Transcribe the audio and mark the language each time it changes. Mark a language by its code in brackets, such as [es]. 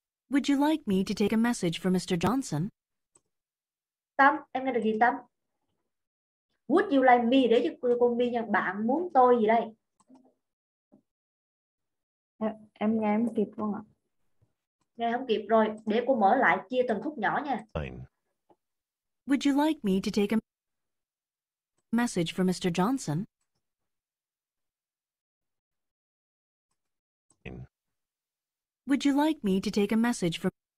[en] Would you like me to take a message for Mr. Johnson? [vi] Tâm, em nghe được gì Tâm? [en] Would you like me, [vi] để cho cô mi nha, bạn muốn tôi gì đây? Em nghe em kịp không ạ? Nghe không kịp rồi, để cô mở lại chia từng khúc nhỏ nha. [en] Fine. Would you like me to take a message for Mr. Johnson? Would you like me to take a message from